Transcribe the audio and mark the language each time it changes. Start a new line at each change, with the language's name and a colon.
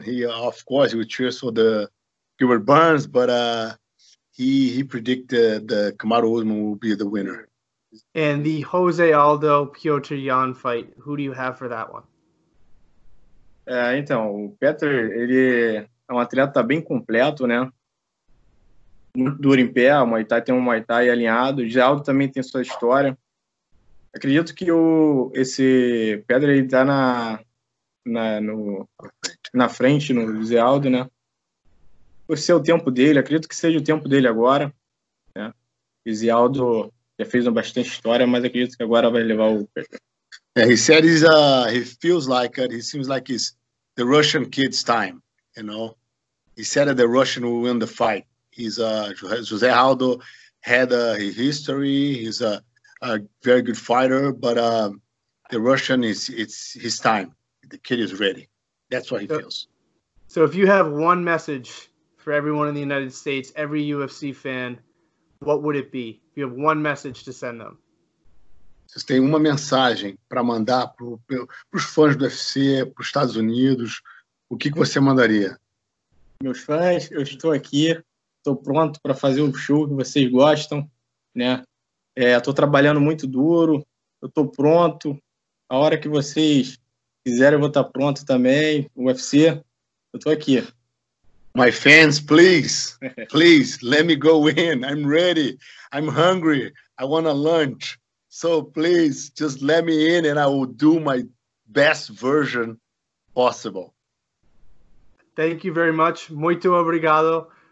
English: He, of course, he cheers for the Gilbert Burns, but he predicted the Kamaru Usman will be the winner. And the Jose Aldo Piotr Jan fight, who do you have for that one?
Portuguese: Então, o Peter, ele é um atleta bem completo, né? Muito duro em pé, o Muay Thai tem um Muay Thai alinhado, o Aldo também tem sua história. Acredito que esse Pedro ele tá na frente no Zé Aldo, né? Por ser o tempo dele, acredito que seja o tempo dele agora, né? O Zé Aldo já fez uma bastante história, mas acredito que agora vai levar o Pedro.
English: He said he's he feels like it. He seems like he's the Russian kid's time, you know. He said that the Russian will win the fight. He's José Aldo had a history. He's a very good fighter, but the Russian is his time. The kid is ready. That's what he feels. So if you have one message for everyone in the United States, every UFC fan, what would it be? If you have one message to send them.
Portuguese: Vocês têm uma mensagem para mandar para os fãs do UFC, para os Estados Unidos, o que, que você mandaria? Meus fãs, eu estou aqui, estou pronto para fazer o show que vocês gostam, né? Estou trabalhando muito duro, eu estou pronto, a hora que vocês quiserem eu vou estar pronto também, o UFC, eu estou aqui.
English: My fans, please, please, let me go in, I'm ready, I'm hungry, I want a lunch. So please, just let me in and I will do my best version possible. Thank you very much.
Portuguese: Muito obrigado.